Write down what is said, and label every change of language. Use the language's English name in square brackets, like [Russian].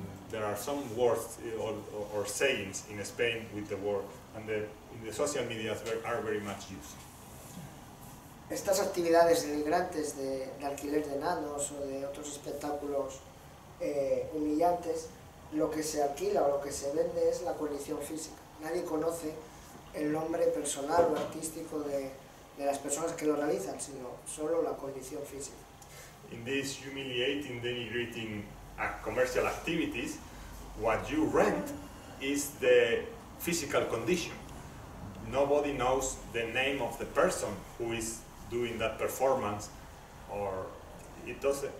[English] There are some words or sayings in Spain with the word, and in the social media are very much used. [Spanish] Estas actividades denigrantes de alquiler de enanos o de otros espectáculos humillantes, lo que se alquila o lo que se vende es la condición física. Nadie conoce el nombre personal o artístico de las personas que lo realizan, sino solo la condición física. [English] In these humiliating, denigrating commercial activities, what you rent is the physical condition. Nobody knows the name of the person who is doing that performance, or it doesn't.